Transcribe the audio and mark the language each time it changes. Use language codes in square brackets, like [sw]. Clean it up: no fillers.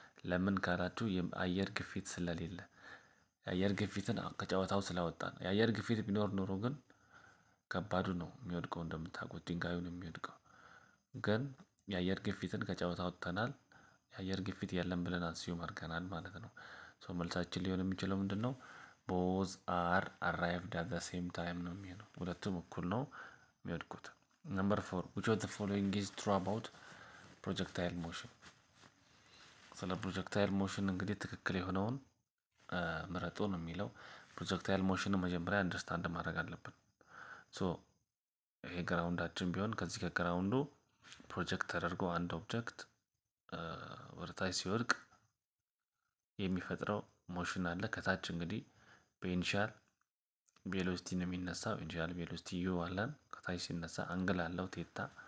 [am] ለምን ካላችሁ የአየር ግፊት ስለሌለ፣ የአየር ግፊትን ከጨዋታው ስለወጣ ነው። የአየር ግፊት ቢኖር ኖሮ ግን ከባዱ ነው የሚወድቀው፣ እንደምታውቁት ድንጋዩ ነው የሚወድቀው። ግን የአየር ግፊትን ከጨዋታ ወጥተናል። የአየር ግፊት የለም ብለን አስዩም አድርገናል ማለት ነው። ሶ መልሳችን ሊሆን የሚችለው ምንድን ነው? [en] Both are arrived at the same time [am] ነው የሚሆነው። ሁለቱም እኩል ነው የሚወድቁት። [en] Number 4 which of the following is true about projectile motion? [am] ስለ ፕሮጀክታይል ሞሽን እንግዲህ ትክክል የሆነውን ምረጡ ነው የሚለው። ፕሮጀክታይል ሞሽን መጀመሪያ አንደርስታንድ ማድረግ አለብን። ሶ ይሄ ግራውንዳችን ቢሆን ከዚህ ከግራውንዱ ፕሮጀክት ተደርጎ አንድ ኦብጀክት ወደታች ሲወድቅ የሚፈጥረው ሞሽን አለ። ከታች እንግዲህ በኢንሻል ቬሎሲቲ ነው የሚነሳው። ኢንሻል ቬሎሲቲ ዩ አለን። ከታች ሲነሳ አንግል አለው ቴታ።